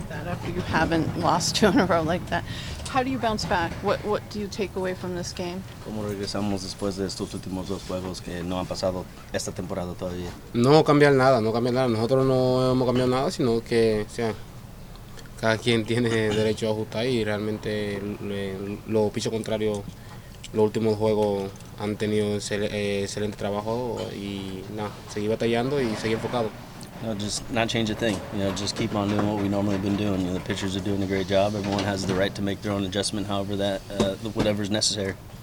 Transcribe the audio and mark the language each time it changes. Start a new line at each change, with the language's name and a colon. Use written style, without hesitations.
English: After you haven't lost two in a row like that, how do you bounce back? What do you take away from this game?
Spanish: ¿Cómo regresamos después de estos últimos dos juegos que no han pasado esta temporada todavía? No cambiar nada, no cambiar nada. Nosotros no hemos cambiado nada, sino que, o sea, cada quien tiene derecho a ajustar y realmente lo piso contrario. Los últimos juegos han tenido excelente trabajo y nada, seguir batallando y seguir enfocado.
English: No, just not change a thing. You know, just keep on doing what we normally been doing. You know, the pitchers are doing a great job. Everyone has the right to make their own adjustment, however that whatever is necessary.